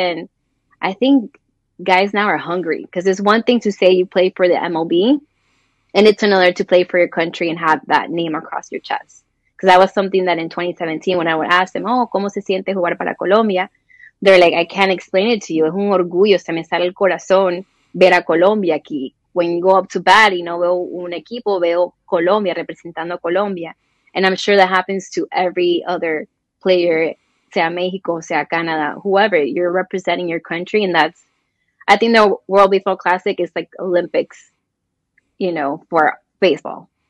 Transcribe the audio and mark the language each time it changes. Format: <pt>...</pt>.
<en>And I think guys now are hungry because it's one thing to say you play for the MLB and it's another to play for your country and have that name across your chest. Because that was something that in 2017, when I would ask them, oh,</en> <es>¿cómo se siente jugar para Colombia?</es> <en>They're like, I can't explain it to you.</en> <es>Es un orgullo, se me sale el corazón ver a Colombia aquí.</es> <en>When you go up to bat, you know,</en> <es>veo un equipo, veo Colombia, representando Colombia.</es> <en>And I'm sure that happens to every other player,</en> <es>sea México, sea Canada,</es> <en>whoever. You're representing your country. And that's, I think the World Baseball Classic is like Olympics, you know, for baseball.</en>